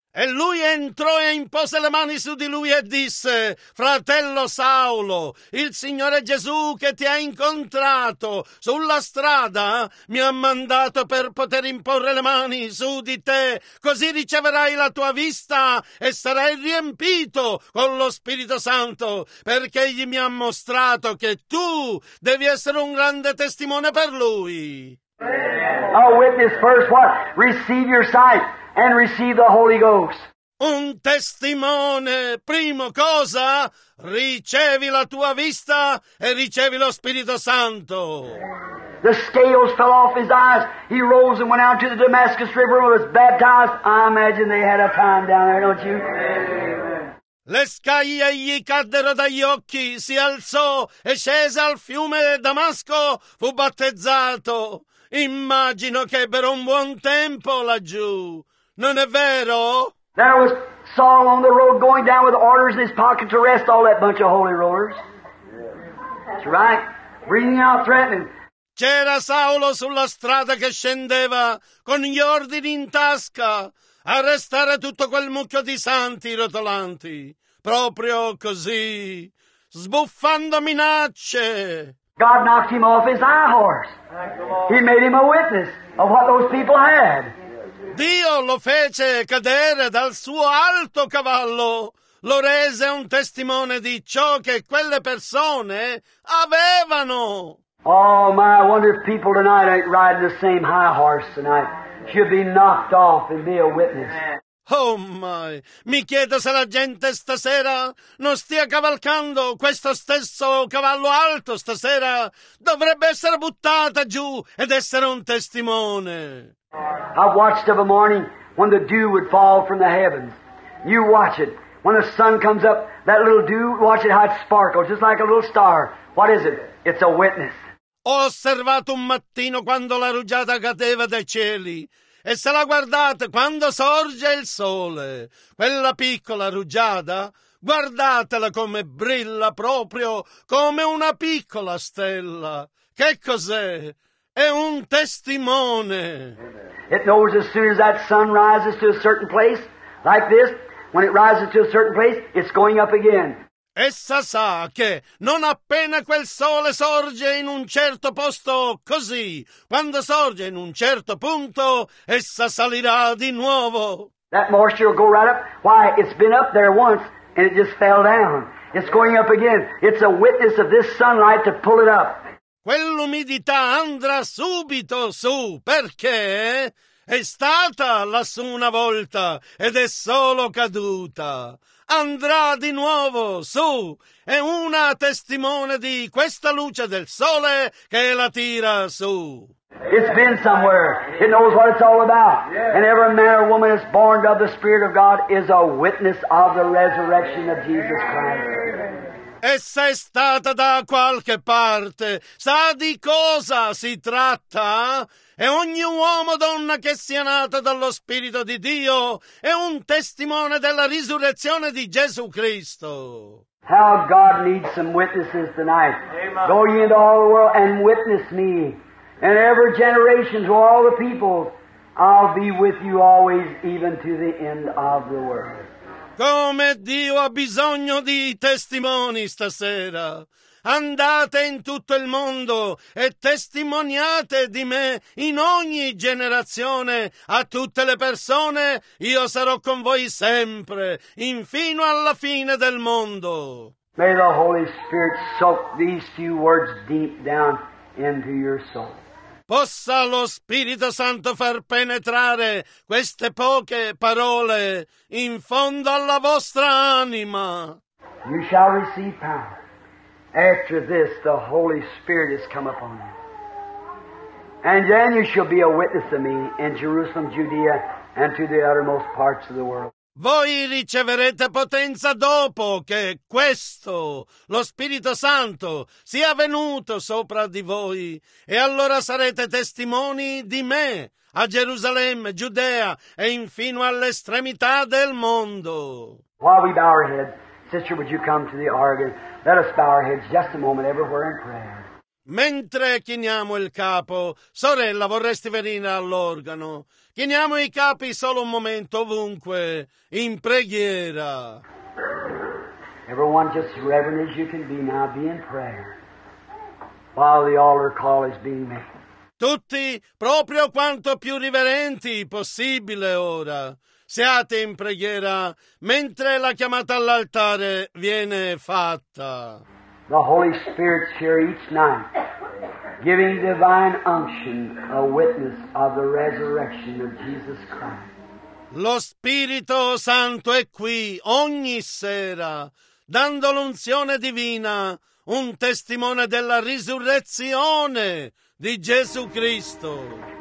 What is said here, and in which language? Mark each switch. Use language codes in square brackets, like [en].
[it] E lui entrò e impose le mani su di lui e disse, "Fratello Saulo, il Signore Gesù che ti ha incontrato sulla strada mi ha mandato per poter imporre le mani su di te, così riceverai la tua vista e sarai riempito con lo Spirito Santo, perché egli mi ha mostrato che tu devi essere un grande testimone per lui." [en] A witness first, what? Receive your sight and receive the Holy Ghost. [it] Un testimone, primo cosa, ricevi la tua vista e ricevi lo Spirito Santo. [en] The scales fell off his eyes. He rose and went out to the Damascus River and was baptized. I imagine they had a time down there, don't you? [it] Le scaglie gli caddero dagli occhi, si alzò e scese al fiume Damasco, fu battezzato. Immagino che ebbero un buon tempo laggiù. Non è vero? [en] There was Saul on the road going down with orders in his pocket to arrest all that bunch of holy rollers. That's right. Breathing out threatening. [it] C'era Saulo sulla strada che scendeva con gli ordini in tasca a arrestare tutto quel mucchio di santi rotolanti. Proprio così. Sbuffando minacce. [en] God knocked him off his high horse. He made him a witness of what those people had. [it] Dio lo fece cadere dal suo alto cavallo, lo rese un testimone di ciò che quelle persone avevano. [en] Oh, my, I wonder if people tonight ain't riding the same high horse tonight. Should be knocked off and be a witness. Oh, my, [it] mi chiedo se la gente stasera non stia cavalcando questo stesso cavallo alto stasera. Dovrebbe essere buttata giù ed essere un testimone. [en] I watched of a morning when the dew would fall from the heavens. You watch it. When the sun comes up, that little dew, watch it how it sparkles, just like a little star. What is it? It's a witness. [it] Ho osservato un mattino quando la rugiada cadeva dai cieli. E se la guardate, quando sorge il sole, quella piccola rugiada, guardatela come brilla proprio come una piccola stella. Che cos'è? È un testimone. [en] It knows as soon as that sun rises to a certain place, like this, when it rises to a certain place, it's going up again. [it] Essa sa che non appena quel sole sorge in un certo posto, così, quando sorge in un certo punto, essa salirà di nuovo. [en] That moisture will go right up. Why, it's been up there once and it just fell down. It's going up again. It's a witness of this sunlight to pull it up. [it] Quell'umidità andrà subito su, perché è stata lassù una volta ed è solo caduta. Andrà di nuovo su, è una testimone di questa luce del sole che la tira su. [en] It's been somewhere, it knows what it's all about. And every man or woman that's born of the Spirit of God is a witness of the resurrection of Jesus Christ. [it] E se è stata da qualche parte, sa di cosa si tratta? E ogni uomo o donna che sia nata dallo Spirito di Dio è un testimone della risurrezione di Gesù Cristo. [en] How God needs some witnesses tonight. Amen. Go ye into all the world and witness me. And every generation to all the people, I'll be with you always, even to the end of the world. [it] Come Dio ha bisogno di testimoni stasera. Andate in tutto il mondo e testimoniate di me in ogni generazione a tutte le persone. Io sarò con voi sempre, infino alla fine del mondo. [en] May the Holy Spirit soak these few words deep down into your soul. [it] Possa lo Spirito Santo far penetrare queste poche parole in fondo alla vostra anima. [en] You shall receive power. After this, the Holy Spirit has come upon you. And then you shall be a witness of me in Jerusalem, Judea, and to the uttermost parts of the world. [it] Voi riceverete potenza dopo che questo, lo Spirito Santo, sia venuto sopra di voi. E allora sarete testimoni di me a Gerusalemme, Giudea e infino all'estremità del mondo. [en] While we bow our heads, sister, would you come to the organ? Let us bow our heads just a moment everywhere in prayer. [it] Mentre chiniamo il capo, sorella, vorresti venire all'organo? Chiniamo i capi solo un momento, ovunque, in preghiera. [en] Everyone just as reverent as you can be now, be in prayer, while the altar call is being made. [it] Tutti, proprio quanto più riverenti possibile ora, siate in preghiera, mentre la chiamata all'altare viene fatta. [en] The Holy Spirit's here each night, giving divine unction, a witness of the resurrection of Jesus Christ. [it] Lo Spirito Santo è qui ogni sera, dando l'unzione divina, un testimone della risurrezione di Gesù Cristo.